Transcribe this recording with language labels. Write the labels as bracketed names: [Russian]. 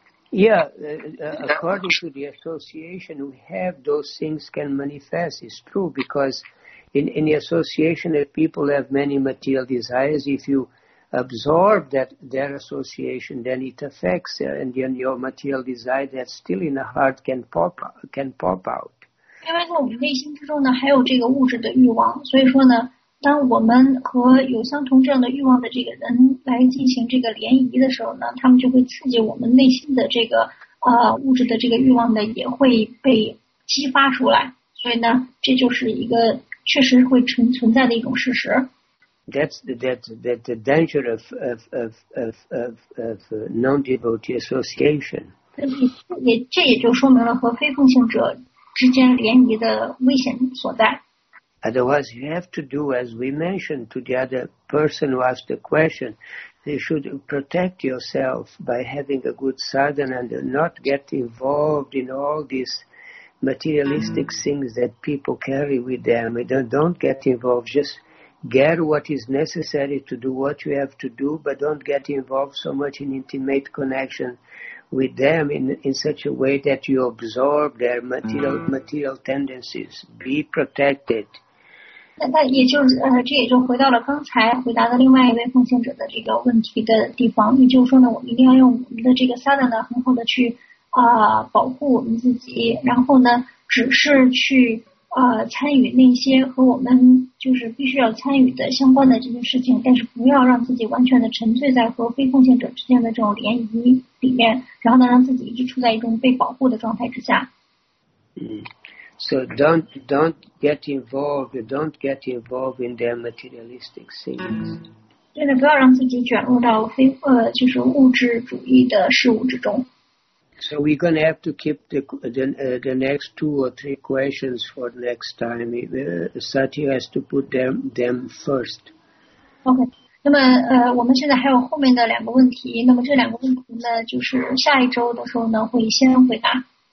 [English] According to the association, we have those things can manifest. It's true, because in the association, if people have many material desires, if you absorb their association, then it affects, and then your material desire that's still in the heart can pop out. [Chinese] 因为在我们内心之中呢，还有这个物质的欲望，所以说呢，当我们和有相同这样的欲望的这个人来进行这个联谊的时候呢，他们就会刺激我们内心的这个物质的这个欲望呢，也会被激发出来。所以呢，这就是一个确实会存在的一种事实。 [English] That's the danger of non-devotee association. [Chinese] 这也就说明了和非奉行者之间联谊的危险所在。 [English] Otherwise, you have to do as we mentioned to the other person who asked the question. You should protect yourself by having a good sadhana and not get involved in all these materialistic things that people carry with them. Don't get involved. Just get what is necessary to do what you have to do, but don't get involved so much in intimate connection with them in such a way that you absorb their material tendencies. Be protected. [Chinese] 那也就是这也就回到了刚才回答的另外一位奉行者的这个问题的地方，也就是说呢，我们一定要用我们的这个 sadhana 很好的去保护我们自己，然后呢只是去参与那些和我们就是必须要参与的相关的这些事情，但是不要让自己完全的沉醉在和非奉行者之间的这种联谊里面，然后呢让自己一直处在一种被保护的状态之下。 [English] So don't get involved. Don't get involved in their materialistic things. [Chinese] 对的，不要让自己卷入到就是物质主义的事物之中。 [English] So we're gonna have to keep the next two or three questions for next time. Sati has to put them first. Okay. [Chinese] 那么我们现在还有后面的两个问题。那么这两个问题呢，就是下一周的时候呢，会先回答。